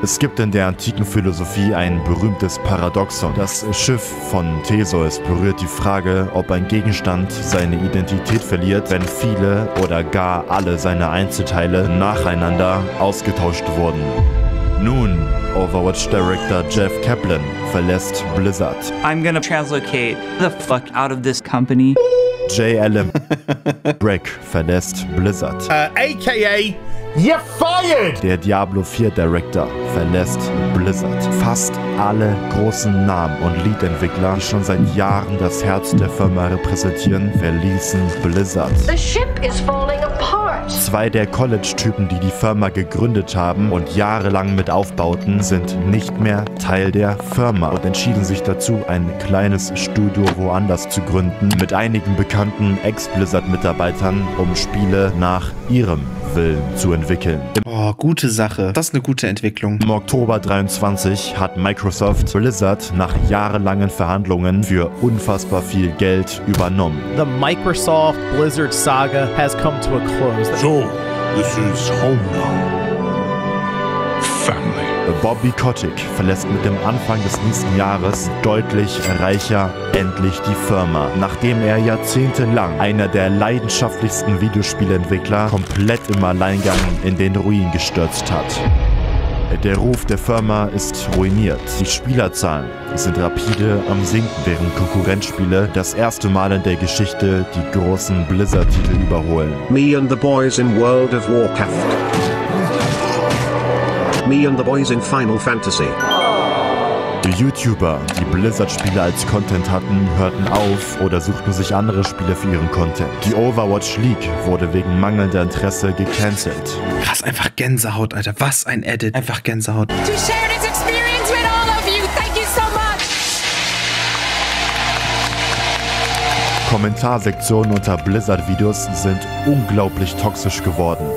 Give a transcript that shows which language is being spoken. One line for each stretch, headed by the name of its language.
German: Es gibt in der antiken Philosophie ein berühmtes Paradoxon. Das Schiff von Theseus berührt die Frage, ob ein Gegenstand seine Identität verliert, wenn viele oder gar alle seine Einzelteile nacheinander ausgetauscht wurden. Nun, Overwatch Director Jeff Kaplan verlässt Blizzard.
English: I'm gonna translocate the fuck out of this company.
German: Jay Allen Brick verlässt Blizzard.
English: AKA You're fired!
German: Der Diablo 4 Director verlässt Blizzard. Fast alle großen Namen und Lead-Entwickler, die schon seit Jahren das Herz der Firma repräsentieren, verließen Blizzard.
English: The ship is falling apart.
German: Zwei der College-Typen, die die Firma gegründet haben und jahrelang mit aufbauten, sind nicht mehr Teil der Firma und entschieden sich dazu, ein kleines Studio woanders zu gründen, mit einigen bekannten Ex-Blizzard-Mitarbeitern, um Spiele nach ihrem Willen zu entwickeln. Oh, gute Sache. Das ist eine gute Entwicklung. Im Oktober 23 hat Microsoft Blizzard nach jahrelangen Verhandlungen für unfassbar viel Geld übernommen.
English: The Microsoft Blizzard Saga has come to a close. So, this is home now. Family.
German: Bobby Kotick verlässt mit dem Anfang des nächsten Jahres deutlich reicher endlich die Firma, nachdem er jahrzehntelang einer der leidenschaftlichsten Videospielentwickler komplett im Alleingang in den Ruin gestürzt hat. Der Ruf der Firma ist ruiniert. Die Spielerzahlen sind rapide am Sinken, während Konkurrenzspiele das erste Mal in der Geschichte die großen Blizzard-Titel überholen.
English: Me and the boys in World of Warcraft. Me and the boys in Final Fantasy.
German: Die YouTuber, die Blizzard-Spiele als Content hatten, hörten auf oder suchten sich andere Spiele für ihren Content. Die Overwatch League wurde wegen mangelnder Interesse gecancelt. Krass, einfach Gänsehaut, Alter. Was ein Edit. Einfach Gänsehaut.
English: To share this experience with all of you, thank you so much!
German: Kommentarsektionen unter Blizzard-Videos sind unglaublich toxisch geworden.